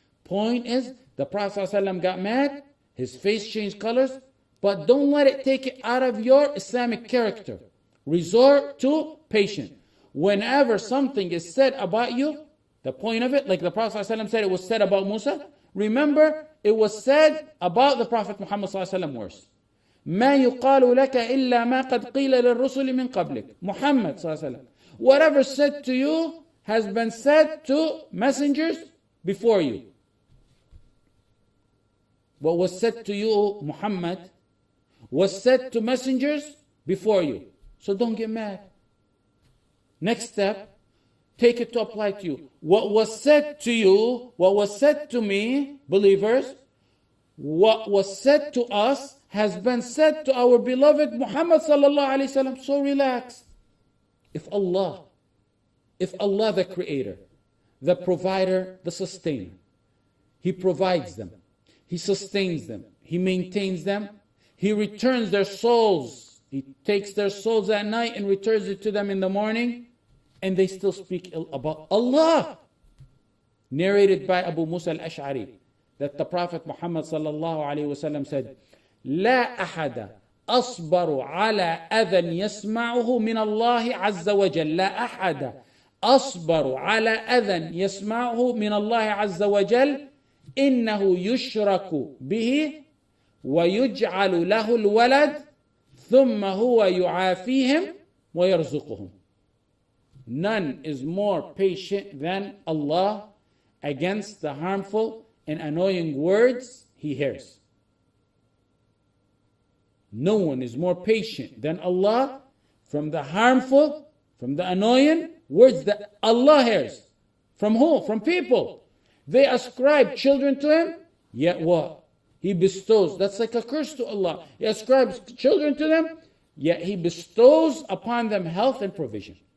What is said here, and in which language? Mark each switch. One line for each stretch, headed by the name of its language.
English: Point is, the Prophet ﷺ got mad, his face changed colors, but don't let it take it out of your Islamic character. Resort to patience. Whenever something is said about you, the point of it, like the Prophet ﷺ said it was said about Musa, remember, it was said about the Prophet Muhammad ﷺ worse.
Arabic: مَا يُقَالُ لَكَ إِلَّا مَا قَدْ قِيلَ لِلرُّسُلِ مِنْ قَبْلِكَ Muhammad ﷺ.
English: Whatever said to you has been said to messengers before you. What was said to you, Muhammad, was said to messengers before you. So don't get mad. Next step, take it to apply to you. What was said to you, what was said to me, believers, what was said to us has been said to our beloved Muhammad sallallahu alaihi wasallam. So relax. If Allah the creator, the provider, the sustainer, he provides them, he sustains them, he maintains them, he returns their souls, he takes their souls at night and returns it to them in the morning, and they still speak ill about Allah. Narrated by Abu Musa al-Ash'ari, that the Prophet Muhammad sallallahu alaihi wasallam said,
Arabic: لَا أَحَدَ أَصْبَرُ عَلَىٰ أَذًا يَسْمَعُهُ مِنَ اللَّهِ عَزَّ وَجَلَّ لَا أَحَدَ أَصْبَرُ عَلَىٰ أَذًا يَسْمَعُهُ مِنَ اللَّهِ عَزَّ وَجَلَّ إِنَّهُ يُشْرَكُ بِهِ وَيُجْعَلُ لَهُ الْوَلَدْ ثُمَّ هُوَ يُعَافِيهِمْ وَيَرْزُقُهُمْ
English: None is more patient than Allah against the harmful and annoying words he hears. No one is more patient than Allah from the harmful, from the annoying words that Allah hears. From who? From people. They ascribe children to him, yet what? He bestows. That's like a curse to Allah. He ascribes children to them, yet he bestows upon them health and provision.